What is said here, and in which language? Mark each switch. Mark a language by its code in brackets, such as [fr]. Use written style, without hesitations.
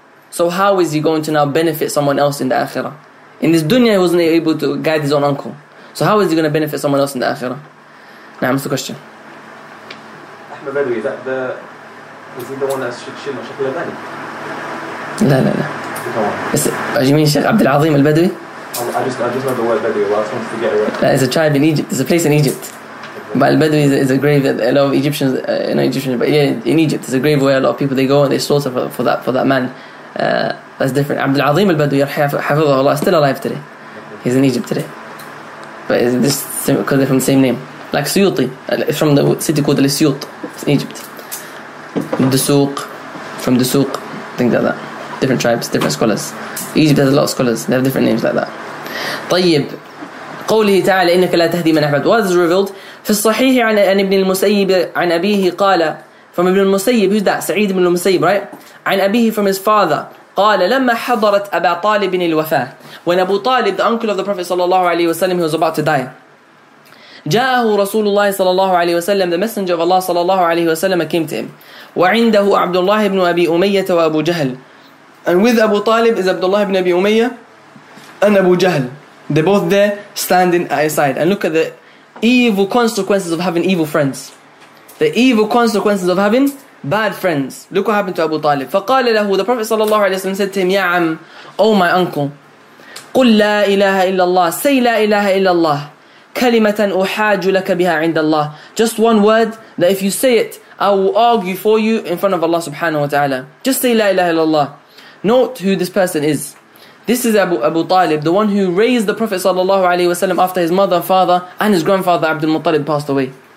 [en] So how is he going to now benefit someone else in the akhirah? In this dunya he wasn't able to guide his own uncle. So how is he going to benefit someone else in the akhirah? Now, what's the question? Ahmed Badawi, is he the one that's Shaykh al-Bani? [ar] لا لا لا بس [en] you mean [ar] Sheikh عبد العظيم البدوي؟ [en] I just know the word Bedouin. Well, I just wanted to get it right. It's a tribe in Egypt. It's a place in Egypt. But Al-Badwi is a grave that a lot of Egyptians, not Egyptians, but yeah, in Egypt, it's a grave where a lot of people, they go and they slaughter for that man. That's different. Abdul Azim Al-Badwi, حفظه الله, still alive today. He's in Egypt today. But is this because they're from the same name? Like Suyuti, from the city called Al-Suyut, it's in Egypt. Dusuq, from Dusuq, things like that. Different tribes, different scholars. Egypt has a lot of scholars, they have different names like that. [ar] طيب. قوله تعالى إنك لا تهدي من أحببت. [en] What is revealed [ar] في الصحيح عن ابن المسيب عن أبيه قال from ابن المسيب who's that سعيد بن المسيب right عن أبيه [en] from his father [ar] قال لما حضرت أبا طالب الوفاة [en] when أبو طالب the uncle of the Prophet صلى الله عليه وسلم he was about to die [ar] جاءه رسول الله صلى الله عليه وسلم [en] the messenger of Allah صلى الله عليه وسلم came to him [ar] وعنده عبد الله بن أبي أمية وأبو جهل [en] and with [ar] أبو طالب is عبد الله بن أبي أمية and أبو جهل. [en] They're both there standing at his side. And look at the evil consequences of having evil friends. The evil consequences of having bad friends. Look what happened to Abu Talib. [ar] فقال له, [en] the Prophet ﷺ said to him, Ya Am, oh my uncle, [ar] قل لا إله إلا الله. [en] Say [ar] لا إله إلا الله. كلمة أحاج لك بها عند الله. [en] Just one word that if you say it, I will argue for you in front of Allah subhanahu wa ta'ala. Just say [ar] لا إله إلا الله. [en] Note who this person is. This is Abu Talib, the one who raised the Prophet sallallahu alaihi wasallam after his mother, father, and his grandfather Abdul Muttalib passed away.